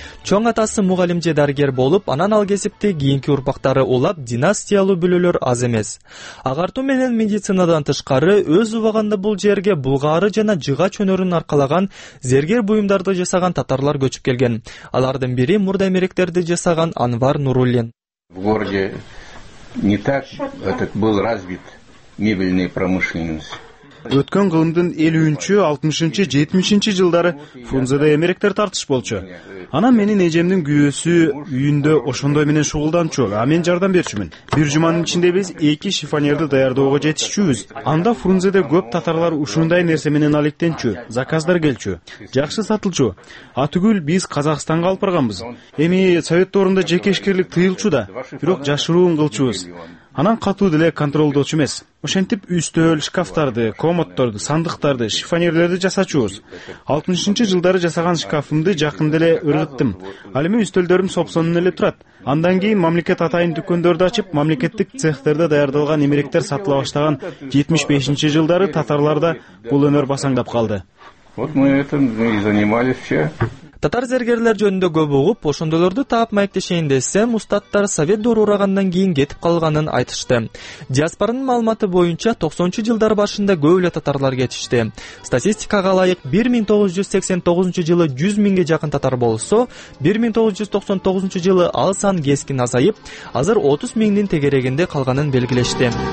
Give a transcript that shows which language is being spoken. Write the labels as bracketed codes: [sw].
[ky] Чоң атасы мугалим же дарыгер болуп, анан ал кесипти кийинки урпактары улап династиялуу бүлөлөр аз эмес. Агартуу менен медицинадан тышкары өз убагында бул жерге булгаары жана жыгач өнөрүн аркалаган зергер буюмдарды жасаган татарлар көчүп келген. Алардын бири мурда эмеректерди жасаган Анвар Нуруллин. [ru] В городе не так этот был развит мебельный промышленность. [ky] Өткөн кылымдын 50-60-70-жылдары Фрунзеде эмеректер тартыш болчу. Анан менин эжемдин күйөөсү үйүндө ошондой менен шугулданчу, а мен жардам берчүмүн. Бир жуманын ичинде биз 2 шифонерди даярдоого жетишчүбүз. Анда Фрунзеде көп татарлар ушундай нерсе менен алектенчү, заказдар келчү, жакшы сатылчу. Атүгүл биз Казакстанга алып барганбыз. Эми совет доорунда жеке ишкерлик тыйылчу да, бирок жашыруун кылчубуз. Анан катуу деле контролдоочу эмес. Ошентип үстөл, шкафтарды, комодторду, сандыктарды, шифонерлерди жасачубуз. 60-жылдары жасаган шкафымды жакында эле ыргыттым. Ал эми үстөлдөрүм сопсонун эле турат. Андан кийин мамлекет атайын дүкөндөрдү ачып, мамлекеттик цехтерде даярдалган эмеректер сатыла баштаган 75-жылдары татарларда бул өнөр басаңдап калды. [ru] Вот мы этим и занимались все. [ky] Татар зергерлер жөнүндө көп угуп, ошондолорду таап маектешейин десем, устаттар совет доору урагандан кийин кетип калганын айтышты. Диаспоранын маалыматы боюнча 90-жылдар башында көп эле татарлар кетишти. Статистикага ылайык 1989 жылы 100 миңге жакын татар болсо, 1999 жылы ал сан кескин азайып, азыр 30 миңдин тегерегинде калганын белгилешти.